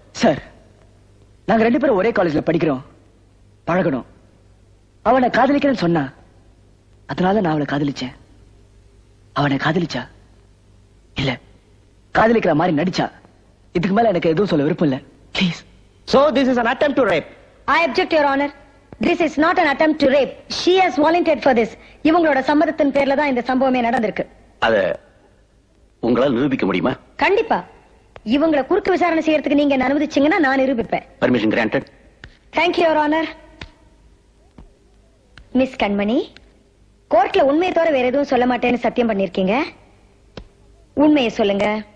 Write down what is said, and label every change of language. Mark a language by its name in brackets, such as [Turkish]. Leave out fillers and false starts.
[Tamil] Sir, நாங்க ரெண்டு பேரும் ஒரே காலேஜ்ல படிக்கிறோம், பழகணும். அவனை காதலிக்கிறேன்னு சொன்னா அதனால நான் அவளை காதலிச்சேன். அவனை காதலிச்சா இல்ல காதலிக்கிற மாதிரி நடிச்சா இதுக்கு மேல எனக்கு எதுவும் சொல்ல விருப்பம் இல்ல. Please. [English] So this is an attempt to rape. I object, Your Honor. This is not an attempt to rape. She has volunteered for this. [Tamil] இவங்களோட சம்மதத்தின் பேர்ல தான் இந்த சம்பவமே நடந்திருக்கு. அத உங்களால நிரூபிக்க முடியுமா? கண்டிப்பா. இவங்கள குறுக்கு விசாரணை செய்யறதுக்கு நீங்க அனுமதிச்சீங்கன்னா நான் நிரூபிப்பேன். [English] Permission granted. Thank you, Your Honor. [Tamil] Miss கண்மணி, கோர்ட்ல உண்மையை தவிர வேற எதுவும் சொல்ல மாட்டேன்னு சத்தியம் பண்ணிருக்கீங்க. உண்மையை சொல்லுங்க.